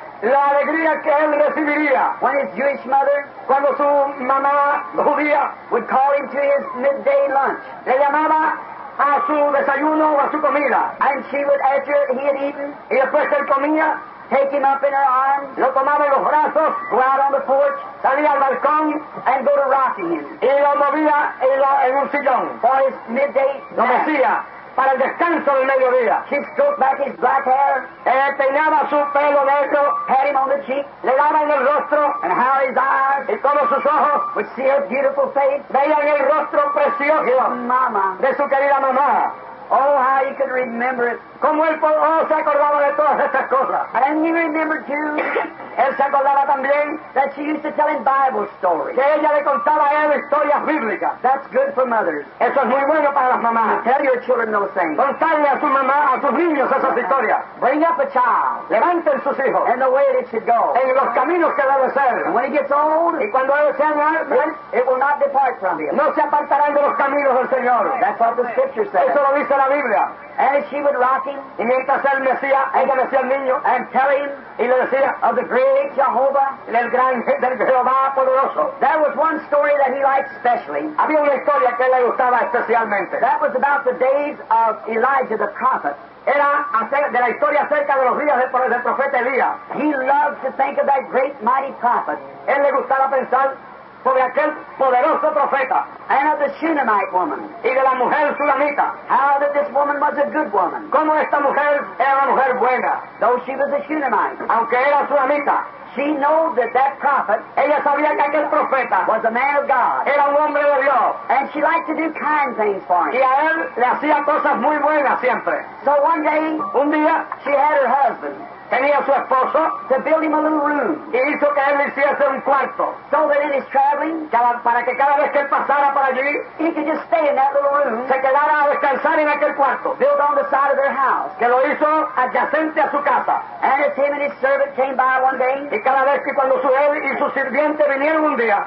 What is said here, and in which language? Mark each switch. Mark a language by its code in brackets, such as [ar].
[es] La alegría que él recibiría. [en] When his Jewish mother. [es] Cuando su mamá judía. [en] Would call him to his midday lunch. [es] Le llamaba a su desayuno o a su comida. [en] And she would, after he had eaten. [es] Y después él comía. [en] Take him up in her arms. [es] Lo tomaba en los brazos. [en] Go out on the porch. [es] Salía al balcón. [en] And go to rocking him. [es] Y lo movía en un sillón. [en] For his midday [es] lo mecía para el descanso del mediodía. [en] She stroked back his black hair. [es] Peinaba su pelo negro. [en] Pat him on the cheek. [es] Le daba en el rostro. [en] And how his eyes. [es] Y todos sus ojos. [en] Would see her beautiful face. [es] Veían el rostro precioso. [en] His mama. [es] De su querida mamá. [en] Oh, how he could remember it. [es] Como él, se acordaba de todas estas cosas. [en] And he remembered too. [es] Él se acordaba también. [en] That she used to tell him Bible stories. [es] Que ella le contaba a él historias bíblicas. [en] That's good for mothers. [es] Eso es muy bueno para las mamás. [en] To tell your children those things. [es] Contarle a su mamá, a sus niños esas historias. [en] Bring up a child. [es] Levanten sus hijos. [en] In the way that it should go. [es] En los caminos que debe ser. [en] And when he gets old. [es] Y cuando él sea grande. [en] It will not depart from him. [es] No se apartarán de los caminos del Señor. [en] That's what the scripture says. [es] Eso lo dice la Biblia. [en] And she would rock him. [es] Y mientras él mecía, ella mecía al niño. [en] And tell him. [es] Y le decía. [en] Of the great Jehovah. [es] Del Jehová poderoso. [en] There was one story that he liked specially. [es] Había una historia que le gustaba especialmente. [en] That was about the days of Elijah the prophet. [es] Era de la historia acerca de los días del profeta Elías. [en] He loved to think of that great mighty prophet. [es] Él le gustaba pensar sobre aquel poderoso profeta. [en] And of the Shunammite woman. [es] Y de la mujer Shunamita. [en] How that this woman was a good woman. [es] Como esta mujer era una mujer buena. [en] Though she was a Shunammite. [es] Aunque era Shunamita. [en] She knew that that prophet. [es] Ella sabía que aquel profeta. [en] Was a man of God. [es] Era un hombre de Dios. [en] And she liked to do kind things for him. [es] Y a él le hacía cosas muy buenas siempre. [en] So one day. [es] Un día. [en] She had her husband. [es] Tenía su esposo. [en] To build him a little room. [es] Y hizo que él le hiciese un cuarto. [en] So that in his traveling. [es] Para que cada vez que él pasara por allí. [en] He could just stay in that little room. [es] Se quedara a descansar en aquel cuarto. [en] Built on the side of their house. [es] Que lo hizo adyacente a su casa. [en] And as him and his servant came by one day. [es] Y cada vez que cuando su él y su sirviente vinieron un día.